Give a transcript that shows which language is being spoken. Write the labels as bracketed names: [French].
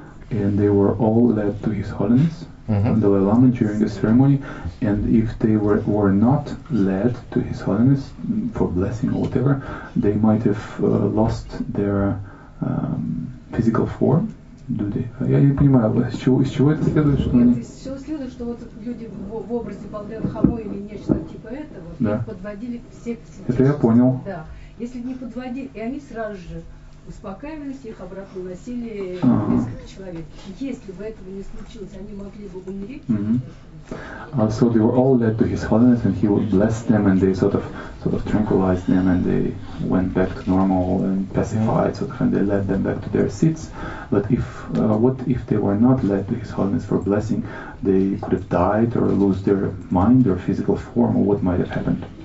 [English] And they were all led to His Holiness, the Dalai Lama, during the ceremony. And if they were not led to His Holiness for blessing or whatever, they might have lost their physical form. Do they? [Russian] Я не понимаю, из чего это следует, что они? Из чего следует, что вот люди в образе Пелден Ламы или нечто типа этого, да, подводили всех. Это я понял. Да. Если не подводили, и они сразу же успокаивались, их обратно уносили несколько человек. Если бы этого не случилось, они могли бы умереть. [English] So they were all led to His Holiness, and He would bless them, and they sort of tranquilized them, and they went back to normal and pacified, sort of, and they led them back to their seats. But if what if they were not led to His Holiness for blessing, they could have died or lose their mind or physical form, or what might have happened?